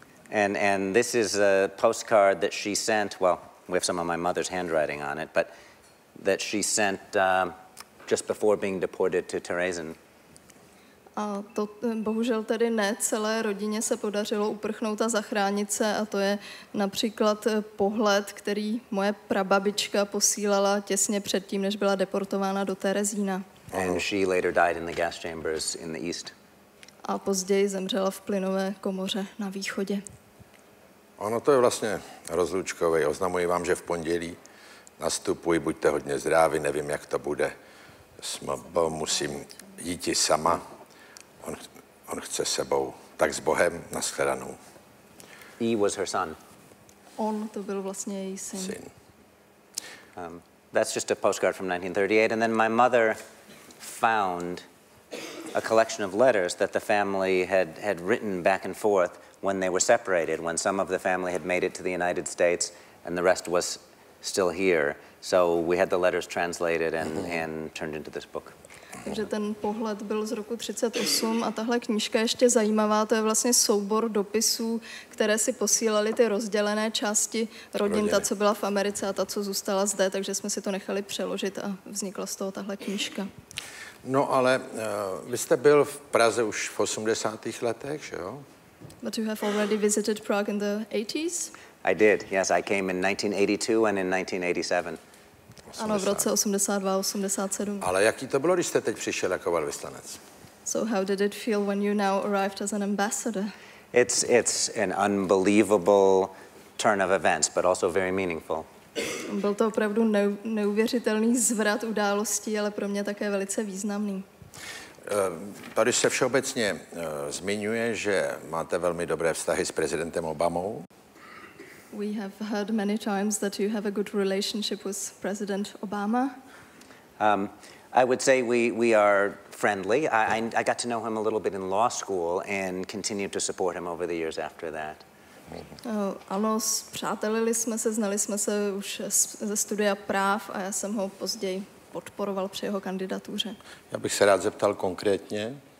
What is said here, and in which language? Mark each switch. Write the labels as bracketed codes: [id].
[en] And this is a postcard that she sent, well, we have some of my mother's handwriting on it, but that she sent just before being deported to Terezin. [cs] A to bohužel tedy ne celé rodině se podařilo uprchnout a zachránit se, a to je například pohled, který moje prababička posílala těsně předtím, než byla deportována do Terezína. [en] And she later died in the gas chambers in the east. [cs] A později zemřela v plynové komoře na východě. Ono to je vlastně rozlučkové. Oznamuji vám, že v pondělí nastupuji, buďte hodně zdraví, nevím, jak to bude. Musím jít i sama. On chce sebou. Tak s Bohem, naschledanou. [en] He was her son. [cs] On to byl vlastně její syn. Syn. [en] That's just a postcard from 1938. And then my mother found a collection of letters that the family had written back and forth when they were separated, when some of the family had made it to the United States and the rest was still here. So we had the letters translated and turned into this book. [cs] Takže ten pohled byl z roku 38 a tahle knížka ještě zajímavá, to je vlastně soubor dopisů, které si posílali ty rozdělené části rodin, ta, co byla v Americe a ta, co zůstala zde, takže jsme si to nechali přeložit a vznikla z toho tahle knížka. No, ale vy jste byl v Praze už v 80. letech, že jo? [en] But you have already visited Prague in the 80s? I did, yes. I came in 1982 and in 1987. [cs] 80. Ano, v roce 82, 87. Ale jaký to bylo, když jste teď přišel jako velvyslanec? [en] So how did it feel when you now arrived as an ambassador? It's an unbelievable turn of events, but also very meaningful. [cs] Byl to opravdu neuvěřitelný zvrat událostí, ale pro mě také velice významný. Tady se všeobecně zmiňuje, že máte velmi dobré vztahy s prezidentem Obamou. [en] We have heard many times that you have a good relationship with President Obama. I would say we are friendly. I got to know him a little bit in law school and continued to support him over the years after that. [cs] Ano, spřátelili jsme se, znali jsme se už ze studia práv a já jsem ho později podporoval při jeho kandidatuře. Já bych se rád zeptal konkrétně.